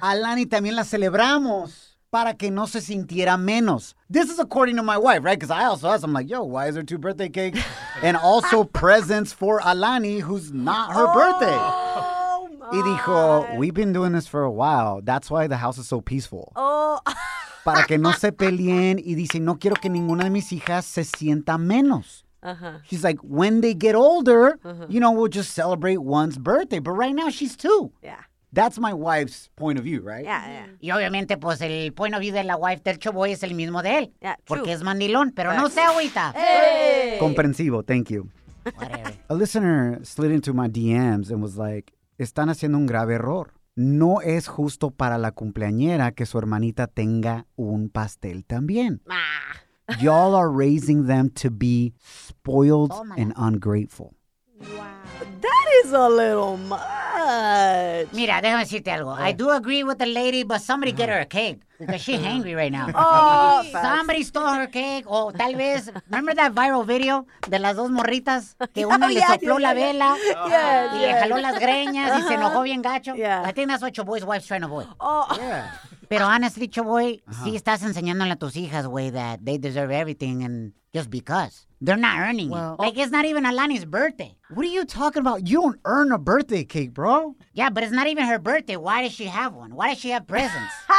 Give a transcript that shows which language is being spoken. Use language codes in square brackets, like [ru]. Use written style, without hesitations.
[es] Alani también la celebramos para que no se sintiera menos. [en] This is according to my wife, right? Because I also asked, I'm like, yo, why is there 2 birthday cakes? And also presents for Alani, who's not her birthday. Oh, my. [es] Y dijo, [en] we've been doing this for a while. That's why the house is so peaceful. Oh, [es] para que no se peleen. Y dice, no quiero que ninguna de mis hijas se sienta menos. Uh-huh. [en] She's like, when they get older, you know, we'll just celebrate one's birthday. But right now, she's 2. Yeah. That's my wife's point of view, right? Yeah, yeah. [es] Y obviamente, pues, el [en] point of view [es] de la wife del Shoboy es el mismo de él. [en] Yeah, true. [es] Porque es mandilón, pero no se agüita. Hey! [en] Comprensivo, thank you. Whatever. A listener slid into my DMs and was like, [es] están haciendo un grave error. No es justo para la cumpleañera que su hermanita tenga un pastel también. Ah. [en] Y'all are raising them to be spoiled and ungrateful. Wow. That is a little much. [es] Mira, déjame decirte algo. [en] Oh. I do agree with the lady, but somebody get her a cake. Because she's hangry right now. Oh, somebody stole her cake. Oh, [es] tal vez. [en] Remember that viral video [es] de las dos morritas? Que uno le sopló la vela. [en] Yeah, [es] y le jaló las greñas y se enojó bien gacho. [en] Yeah. I think that's what your boy's wife's trying to avoid. Oh. Yeah. Pero honestly, Shoboy, [es] sí estás enseñándole a tus hijas, güey, [en] that they deserve everything and just because. They're not earning it. Like, it's not even Alani's birthday. What are you talking about? You don't earn a birthday cake, bro. Yeah, but it's not even her birthday. Why does she have one? Why does she have presents?